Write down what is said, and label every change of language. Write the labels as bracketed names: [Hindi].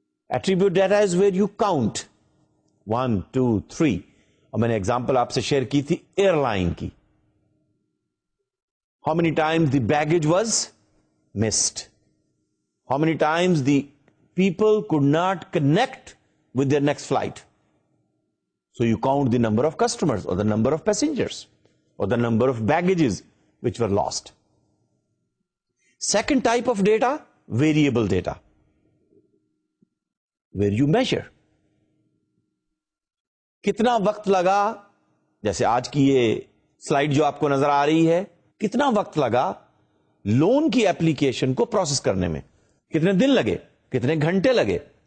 [English] Attribute data is where you count 1, 2, 3. [Urdu] میں نے example آپ سے شیئر کی تھی ایئر لائن کی, [English] How many times the baggage was missed, how many times the people could not connect with their next flight. So you count the number of customers اور the number of passengers اور the number of baggages which were lost. Second type of data, variable data, where you measure [Urdu] کتنا وقت لگا, جیسے آج کی یہ slide جو آپ کو نظر آ رہی ہے, کتنا وقت لگا لون کی اپلیکیشن کو پروسیس کرنے میں, کتنے دن لگے, کتنے گھنٹے لگے.